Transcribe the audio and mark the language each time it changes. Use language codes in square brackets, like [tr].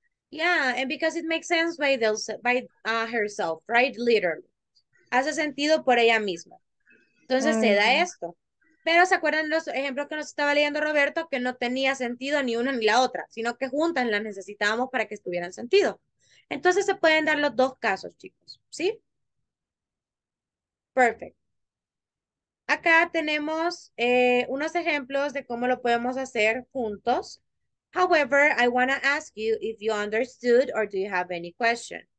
[en] Yeah, and because it makes sense by herself, right? [es] Literally. Hace sentido por ella misma. Entonces se da esto. Pero ¿se acuerdan los ejemplos que nos estaba leyendo Roberto? Que no tenía sentido ni una ni la otra, sino que juntas las necesitábamos para que estuvieran sentido. Entonces se pueden dar los dos casos, chicos. ¿Sí? Perfect. Acá tenemos unos ejemplos de cómo lo podemos hacer juntos. [en] However, I want to ask you if you understood or do you have any question.